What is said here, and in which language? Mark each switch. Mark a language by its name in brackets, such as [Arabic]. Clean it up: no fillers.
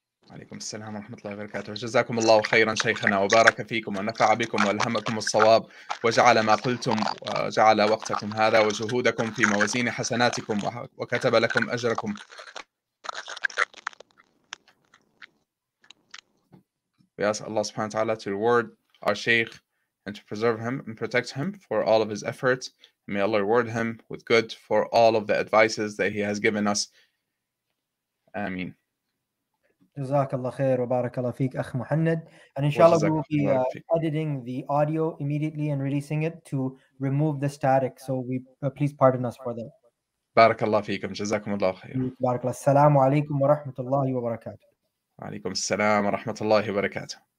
[Arabic] عليكم السلام ورحمة الله وبركاته. جزاكم الله خيرا شيخنا وبارك فيكم ونفع بكم وألهمكم الصواب وجعل ما قلتم وجعل وقتكم هذا وجهودكم في موازين حسناتكم وكتب لكم أجركم. [English] We ask Allah subhanahu wa ta'ala to reward our Shaykh and to preserve him and protect him for all of his efforts. May Allah reward him with good for all of the advices that he has given us. Ameen. [Arabic] جزاك الله خير وبارك الله فيك أخ محمد. [English] And inshallah we will be editing the audio immediately and releasing it to remove the static. So we please pardon us for that. [Arabic] بارك الله فيكم جزاكم الله خير. بارك الله. السلام عليكم ورحمة الله وبركاته. عليكم السلام ورحمة الله وبركاته.